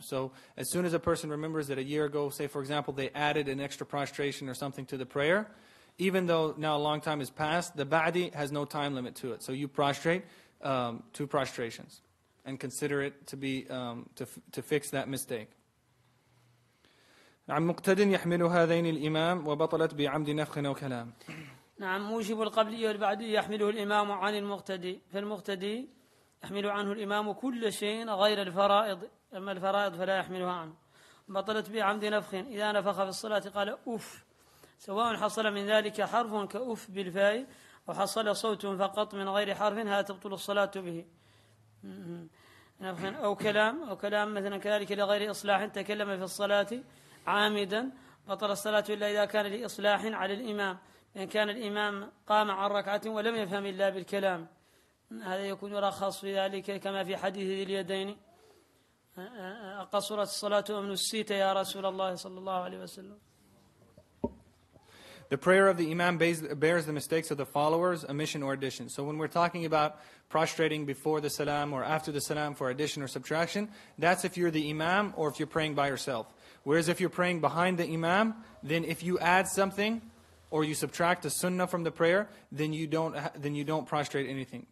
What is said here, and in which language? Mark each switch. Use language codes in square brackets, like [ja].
[en] So as soon as a person remembers that a year ago, say for example, they added an extra prostration or something to the prayer, even though now a long time has passed, the ba'di has no time limit to it. So you prostrate two prostrations and consider it to be to fix that mistake. [ar] عن مقتد يحمل هذين الإمام وبطلت بعمد نفخ أو كلام. نعم موجب القبلية والبعدية يحمله الإمام عن المقتدي، فالمقتدي يحمل عنه الإمام كل شيء غير الفرائض، أما الفرائض فلا يحملها عنه. بطلت بعمد نفخ إذا نفخ في الصلاة قال أوف، سواء حصل من ذلك حرف كأوف بالفاء أو حصل صوت فقط من غير حرف هذا تبطل الصلاة به. نفخ أو كلام مثلا كذلك لغير إصلاح تكلم في الصلاة عامدا بطل الصلاة إلا إذا كان لإصلاح على الإمام، إن كان الإمام قام عن ركعة ولم يفهم إلا بالكلام هذا يكون رخص في ذلك كما في حديث ذي اليدين قصرت الصلاة أم نسيت يا رسول الله صلى الله عليه وسلم. [en] The prayer of the imam bears the mistakes of the followers, omission or addition. So when we're talking about prostrating before the salam or after the salam for addition or subtraction, that's if you're the imam or if you're praying by yourself. Whereas if you're praying behind the imam, then if you add something or you subtract a sunnah from the prayer, then you don't prostrate anything.